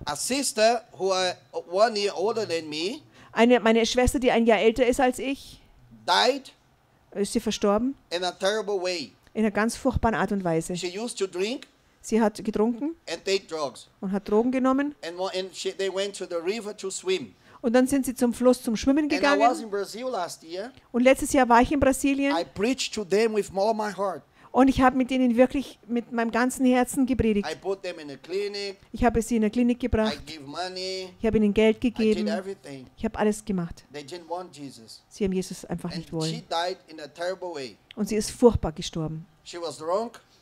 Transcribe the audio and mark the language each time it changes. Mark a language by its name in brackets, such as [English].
[English] A sister who are 1 year older than me. [German] Meine Schwester, die ein Jahr älter ist als ich. [English] Died. [German] Ist sie verstorben? [English] In a terrible way. [German] In einer ganz furchtbaren Art und Weise. [English] She used to drink. [German] Sie hat getrunken. [English] And take drugs. [German] Und hat Drogen genommen. [English] And they went to the river to swim. [German] Und dann sind sie zum Fluss zum Schwimmen gegangen. [English] And I was in Brazil last year. [German] Und letztes Jahr war ich in Brasilien. [English] I preached to them with all my heart. [German] Und ich habe mit ihnen wirklich mit meinem ganzen Herzen gepredigt. [English] I put them in a clinic. [German] Ich habe sie in eine Klinik gebracht. [English] I give money. [German] Ich habe ihnen Geld gegeben. [English] I did everything. [German] Ich habe alles gemacht. [English] They didn't want Jesus. [German] Sie haben Jesus einfach [English] and [German] nicht wollen. [English] She died in a terrible way. [German] Und sie ist furchtbar gestorben. [English] She was drunk.